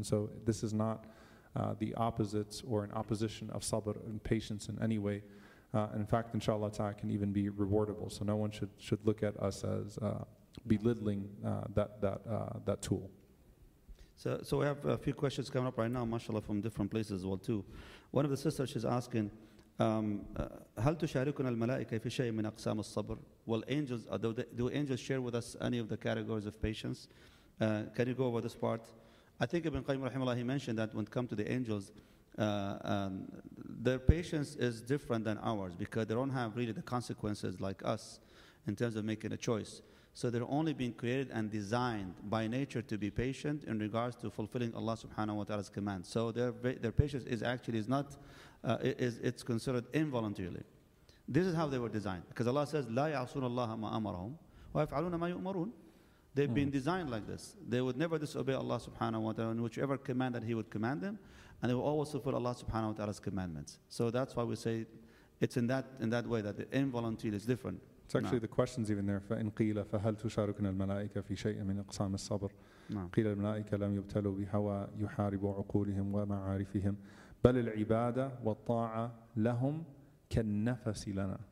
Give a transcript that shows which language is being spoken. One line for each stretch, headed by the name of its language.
English: And so this is not the opposite or an opposition of sabr and patience in any way. In fact, inshallah ta'ala, can even be rewardable. So no one should look at us as belittling that tool. So we have a few questions coming up right now, mashallah, from different places as well, too. One of the sisters, she's asking,
Arabic: هل تشاركنا الملائكة في شيء من أقسام الصبر?
English: Will angels, do angels share with us any of the categories of patience? Can you go over this part? I think Ibn Qayyim rahimahullah, he mentioned that when it comes to the angels, their patience is different than ours, because they don't have really the consequences like us in terms of making a choice. So they're only being created and designed by nature to be patient in regards to fulfilling Allah subhanahu wa ta'ala's command. So their patience is actually is not, it's considered involuntarily. This is how they were designed. Because Allah says,
Arabic: لَا يَعْصُونَ اللَّهَ مَا أَمَرَهُمْ وَيَفْعَلُونَ مَا يُؤْمَرُونَ.
English: They've been designed like this. They would never disobey Allah subhanahu wa ta'ala in whichever command that He would command them. And they will always fulfill Allah subhanahu wa ta'ala's commandments. So that's why we say it's in that way that the involuntary is different. It's actually the question's even there.
Arabic: فَإِنْ قِيلَ فَهَلْ تُشَارُكُنَ الْمَلَائِكَ فِي شَيْءٍ مِنْ إِقْسَامِ الصَّبْرِ قِيلَ الْمَلَائِكَ لَمْ يُبْتَلُوا بِهَوَى يُحَارِبُ عُقُولِهِمْ وَمَعَارِفِهِمْ بَلِ الْعِبَادَةِ وَالطَّاعَةَ لَهُمْ كَالنَّفَسِ لَنَا.